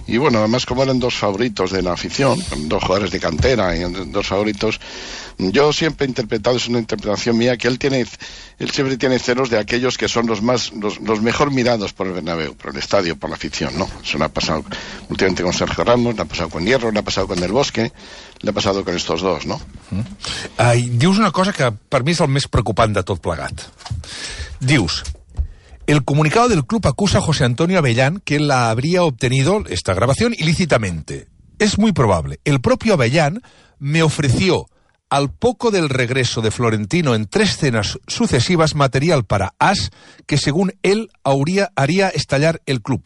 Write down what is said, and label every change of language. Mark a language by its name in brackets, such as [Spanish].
[Spanish] Y bueno, además como eran dos favoritos de la afición, dos jugadores de cantera y dos favoritos, yo siempre he interpretado, es una interpretación mía, que él siempre tiene celos de aquellos que son los mejor mirados por el Bernabéu, por el estadio, por la afición, ¿no? Eso le ha pasado últimamente con Sergio Ramos, le ha pasado con Hierro, le ha pasado con Del Bosque, le ha pasado con estos dos, ¿no? [Catalan] Dius una cosa que per mi és el més preocupant de tot plegat. Dius, [Spanish] el comunicado del club acusa a José Antonio Avellán que la habría obtenido esta grabación ilícitamente. Es muy probable. El propio Avellán me ofreció al poco del regreso de Florentino en tres cenas sucesivas material para AS que según él haría estallar el club.